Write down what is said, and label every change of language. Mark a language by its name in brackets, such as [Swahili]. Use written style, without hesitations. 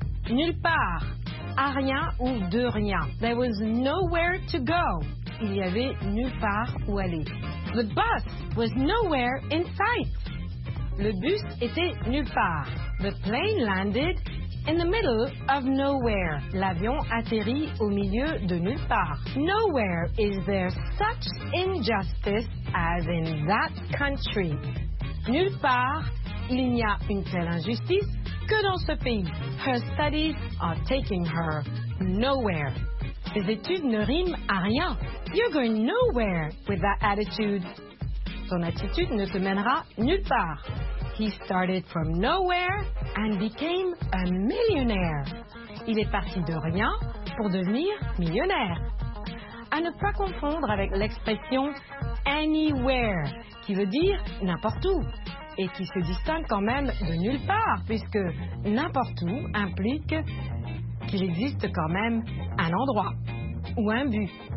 [French] Nulle part, à rien ou de rien. [English] There was nowhere to go. [French] Il y avait nulle part où aller. [English] The bus was nowhere in sight. [French] Le bus était nulle part. [English] The plane landed in the middle of nowhere. [French] L'avion atterrit au milieu de nulle part. [English] Nowhere is there such injustice as in that country. [French] Nulle part, il n'y a une telle injustice que dans ce pays. [English] Her studies are taking her nowhere. [French] Ses études ne riment à rien. [English] You're going nowhere with that attitude. [French] Son attitude ne te mènera nulle part. [English] He started from nowhere and became a millionaire. [French] Il est parti de rien pour devenir millionnaire. À ne pas confondre avec l'expression anywhere, qui veut dire n'importe où, et qui se distingue quand même de nulle part, puisque n'importe où implique qu'il existe quand même un endroit ou un but.